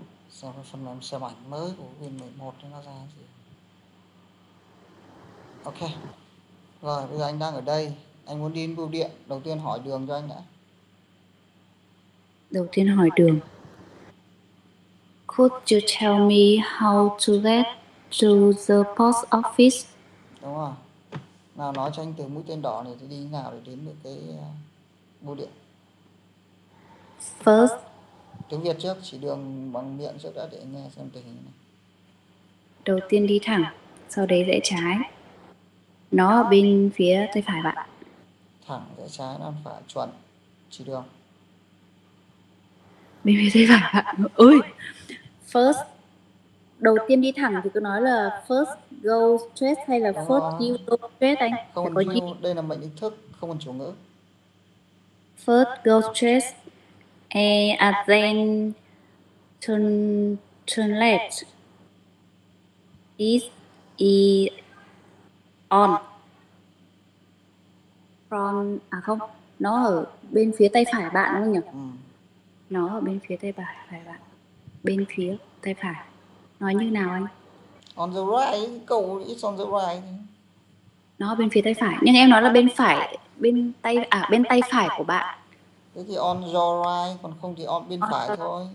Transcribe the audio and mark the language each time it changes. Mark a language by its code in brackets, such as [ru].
[vi] Xem cái phần mềm xem ảnh mới của Win 11 nó ra gì. Ok. Rồi, bây giờ anh đang ở đây. Anh muốn đi đến bưu điện. Đầu tiên hỏi đường cho anh đã. Đầu tiên hỏi đường. [en] Could you tell me how to get to the post office? [vi] Đúng rồi. Nào nói cho anh từ mũi tên đỏ này thì đi nào để đến được cái bưu điện. [en] First. [vi] Tiếng Việt trước, chỉ đường bằng miệng trước đã để nghe xem tình hình này. Đầu tiên đi thẳng, sau đấy rẽ trái. Nó ở bên phía tay phải bạn. Thẳng, rẽ trái, nó phải chuẩn, chỉ đường. Bên phía tay phải bạn. Ôi, first. Đầu tiên đi thẳng thì cứ nói là [en] first go straight [vi] hay là đó first đó. [en] You go straight anh. [vi] Không có gì. Đây là mệnh định thức, không còn chủ ngữ. [en] First go straight. And then turn left. It is on from [vi] nó ở bên phía tay phải bạn đúng không nhỉ? Ừ. Nó ở bên phía tay phải bạn. Bên phía tay phải. Nói như nào anh? [en] On the right, câu it's on the right. [vi] Nó ở bên phía tay phải, nhưng em nói là bên phải, bên tay phải của bạn. Thế thì [en] on your right, [vi] còn không thì on bên phải thôi.